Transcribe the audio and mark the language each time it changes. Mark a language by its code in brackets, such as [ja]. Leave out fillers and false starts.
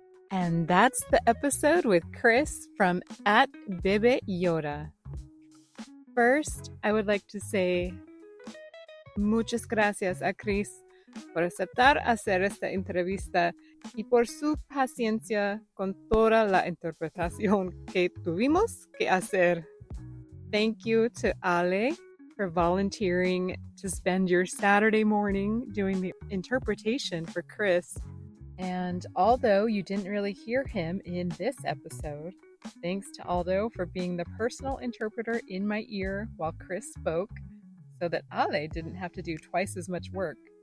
[en] And that's the episode with Chris from @BebeYora. First, I would like to say [es] muchas gracias a Chris por aceptar hacer esta entrevista y por su paciencia con toda la interpretación que tuvimos que hacer. [en] Thank you to Ale for volunteering to spend your Saturday morning doing the interpretation for Chris. And although you didn't really hear him in this episode, thanks to Aldo for being the personal interpreter in my ear while Chris spoke so that Ale didn't have to do twice as much work.